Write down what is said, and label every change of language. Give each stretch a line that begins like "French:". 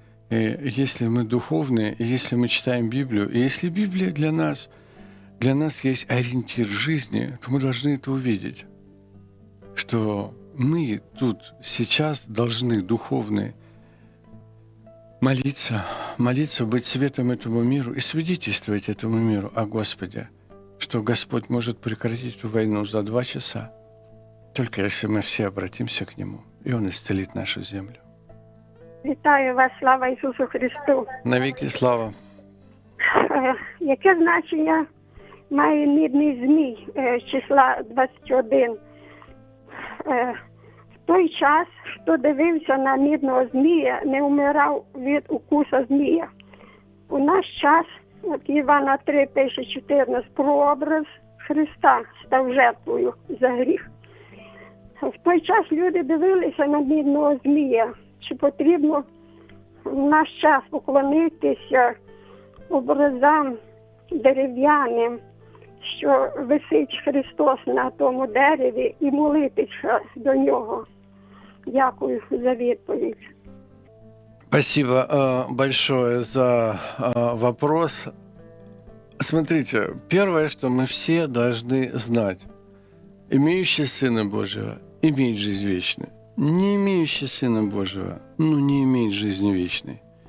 Russian: И если мы духовные, и если мы читаем Библию, и если Библия для нас есть ориентир жизни, то мы должны это увидеть, что мы тут сейчас должны духовные молиться, молиться, быть светом этому миру и свидетельствовать этому миру о Господе, что Господь может прекратить эту войну за 2 часа, только если мы все обратимся к Нему. И Он исцелит нашу землю.
Ukrainian: Вітаю вас, слава Ісусу Христу. Навіки слава. Яке значення має мідний змій числа 21? В той час, хто дивився на мідного змія, не умирав від укуса змія. У наш час, от Івана 3:14, прообраз Христа став жертвою за гріх. В той час люди дивилися на мідного змія. Чи потрібно в наш час поклонитися образам дерев'яним, що висить Христос на тому дереві, і молитися до нього? Дякую за відповідь.
Russian: Спасибо большое за вопрос. Смотрите, первое, что мы все должны знать. Имеющий Сына Божьего имеет жизнь вечную. Не имеющий Сына Божьего, ну, не имеет жизни вечной.